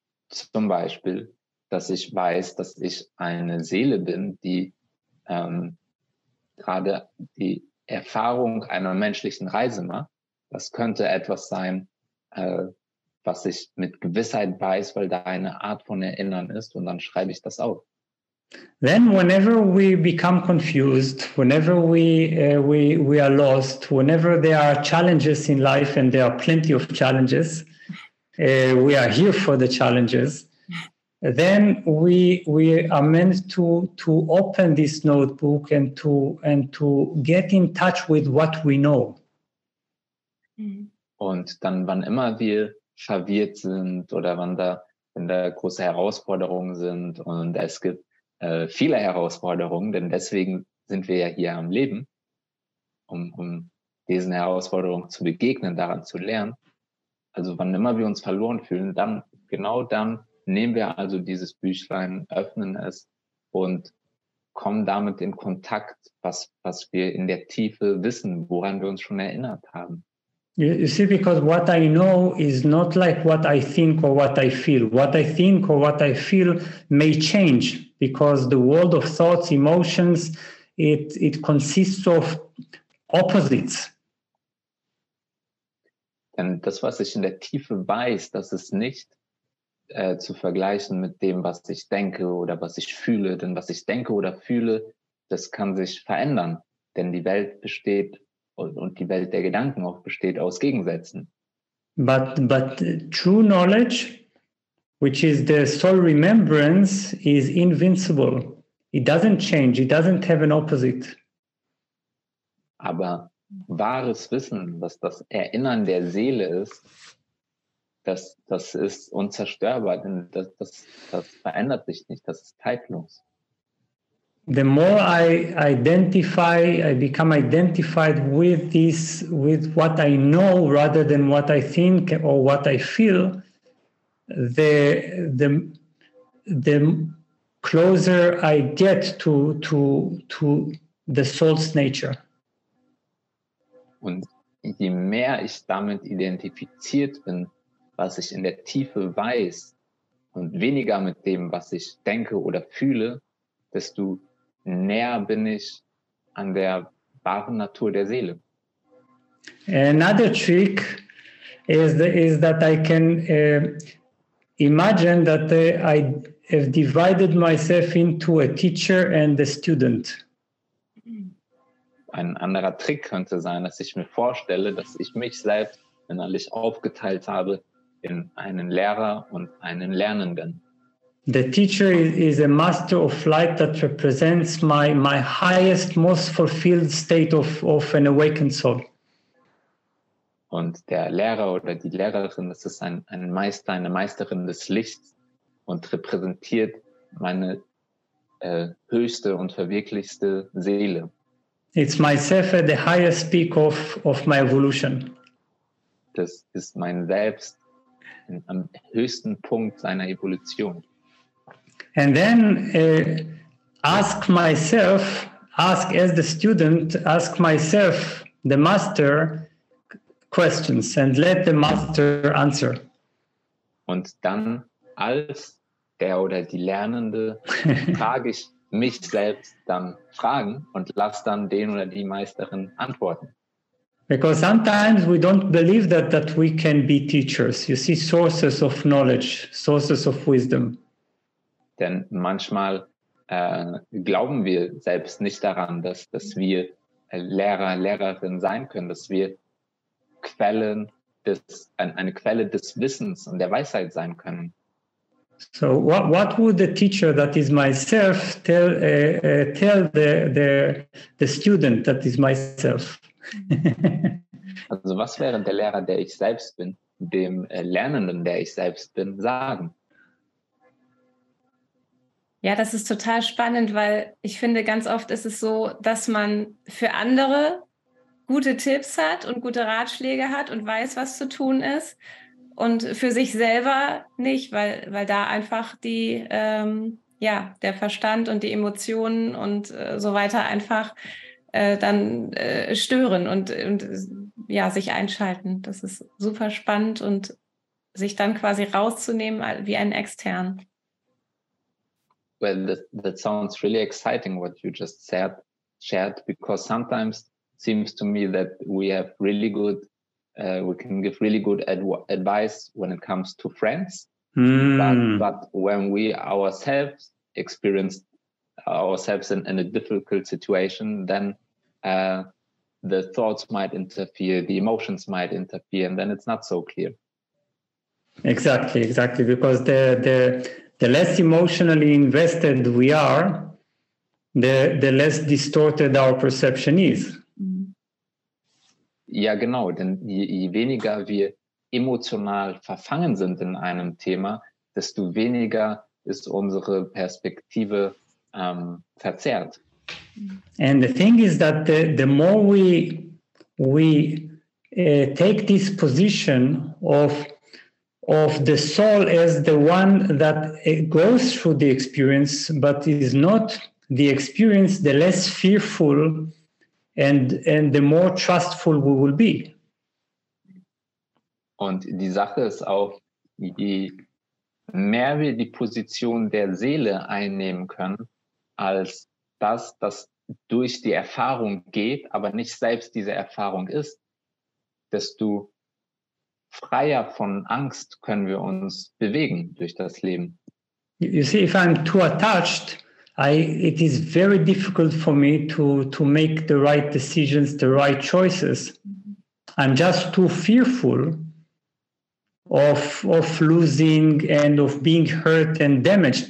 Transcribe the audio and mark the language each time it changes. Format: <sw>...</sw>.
<de>Zum Beispiel, dass ich weiß, dass ich eine Seele bin, die gerade die Erfahrung einer menschlichen Reise macht. Das könnte etwas sein, was ich mit Gewissheit weiß, weil da eine Art von Erinnern ist, und dann schreibe ich das auf.</de> <en>Then whenever we become confused, whenever we are lost, whenever there are challenges in life, and there are plenty of challenges, we are here for the challenges, then we are meant to open this notebook and to get in touch with what we know.</en> <de>Und dann, wann immer wir verwirrt sind oder wenn da große Herausforderungen sind, und es gibt viele Herausforderungen, denn deswegen sind wir ja hier am Leben, um diesen Herausforderungen zu begegnen, daran zu lernen. Also wann immer wir uns verloren fühlen, dann, genau dann, nehmen wir also dieses Büchlein, öffnen es und kommen damit in Kontakt, was wir in der Tiefe wissen, woran wir uns schon erinnert haben.</de> <en>You see, because what I know is not like what I think or what I feel. What I think or what I feel may change, because the world of thoughts, emotions, it consists of opposites.</en> <de>Denn das, was ich in der Tiefe weiß, das ist nicht zu vergleichen mit dem, was ich denke oder was ich fühle. Denn was ich denke oder fühle, das kann sich verändern. Denn die Welt besteht und die Welt der Gedanken auch besteht aus Gegensätzen.</de> <en>But true knowledge, which is the soul remembrance, is invincible. It doesn't change, it doesn't have an opposite.</en> <de>Aber wahres Wissen, was das Erinnern der Seele ist, das ist unzerstörbar, denn das verändert sich nicht, das ist zeitlos.</de> <en>The more I become identified with this, with what I know rather than what I think or what I feel, the closer I get to the soul's nature.</en> <de>Und je mehr ich damit identifiziert bin, was ich in der Tiefe weiß, und weniger mit dem, was ich denke oder fühle, desto näher bin ich an der wahren Natur der Seele.</de> <en>Another trick is that I can imagine that I have divided myself into a teacher and a student.</en> <de>Ein anderer Trick könnte sein, dass ich mir vorstelle, dass ich mich selbst innerlich aufgeteilt habe in einen Lehrer und einen Lernenden.</de> <en>The teacher is a master of light that represents my highest, most fulfilled state of an awakened soul.</en> <de>Und der Lehrer oder die Lehrerin, das ist ein Meister, eine Meisterin des Lichts und repräsentiert meine höchste und verwirklichste Seele.</de> <en>It's myself at the highest peak of my evolution.</en> <de>Das ist mein Selbst am höchsten Punkt seiner Evolution.</de> <en>And then ask as the student, the master, questions, and let the master answer.</en> <de>Und dann als der oder die Lernende frage ich mich selbst dann Fragen und lass dann den oder die Meisterin antworten.</de> <en>Because sometimes we don't believe that we can be teachers. You see, sources of knowledge, sources of wisdom.</en> <de>Denn manchmal glauben wir selbst nicht daran, dass wir Lehrer, Lehrerin sein können, dass wir Quellen eine Quelle des Wissens und der Weisheit sein können.</de> <en>So what would the teacher that is myself tell the student that is myself?</en> <de>Also was wäre der Lehrer, der ich selbst bin, dem Lernenden, der ich selbst bin, sagen? Ja, das ist total spannend, weil ich finde, ganz oft ist es so, dass man für andere gute Tipps hat und gute Ratschläge hat und weiß, was zu tun ist. Und für sich selber nicht, weil da einfach die, der Verstand und die Emotionen und so weiter einfach dann stören und sich einschalten. Das ist super spannend und sich dann quasi rauszunehmen wie einen Extern.</de> <en>Well, that sounds really exciting, what you just shared, because sometimes it seems to me that we have really good, we can give really good advice when it comes to friends. Mm. But when we ourselves experience ourselves in a difficult situation, then the thoughts might interfere, the emotions might interfere, and then it's not so clear. Exactly, because the less emotionally invested we are, the less distorted our perception is.</en> <de>Ja, genau, denn je weniger wir emotional verfangen sind in einem Thema, desto weniger ist unsere Perspektive verzerrt.</de> <en>And the thing is that the more we take this position of the soul as the one that goes through the experience, but is not the experience, the less fearful and the more trustful we will be.</en> <de>Und die Sache ist auch, je mehr wir die Position der Seele einnehmen können, als das, das durch die Erfahrung geht, aber nicht selbst diese Erfahrung ist, desto freier von Angst können wir uns bewegen durch das Leben.</de> <en>You see, if I'm too attached, it is very difficult for me to make the right decisions, the right choices. I'm just too fearful of losing and of being hurt and damaged.</en>